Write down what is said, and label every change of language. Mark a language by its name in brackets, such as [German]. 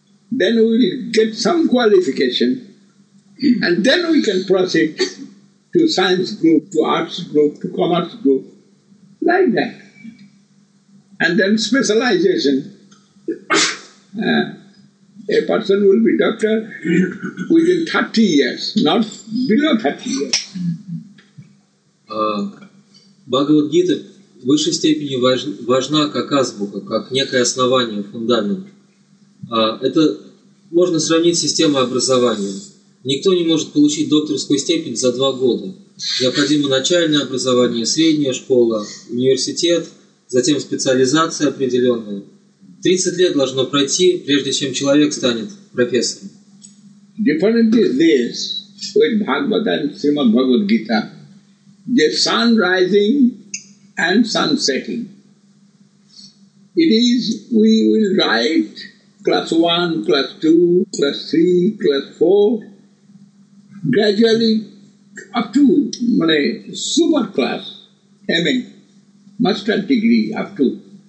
[English] Then we will get some qualification and then we can proceed to science group, to arts group, to commerce group, like that. And then specialization. A person will be doctor within 30 years, not below 30 years. [Russian] Бхагавад-гита в высшей степени важна как азбука, как некое основание, фундамент. Это можно сравнить с системой образования. Никто не может получить докторскую степень за 2 года. Необходимо начальное образование, средняя школа, университет, затем специализация определенная. 30 лет должно пройти, прежде чем человек станет профессором. [English] Different is this with Bhagavata and Srimad Bhagavad Gita. The sun rising and sun setting. It is, we will write class 1, class 2, class 3, class 4, gradually up to super class, MA, master degree up to.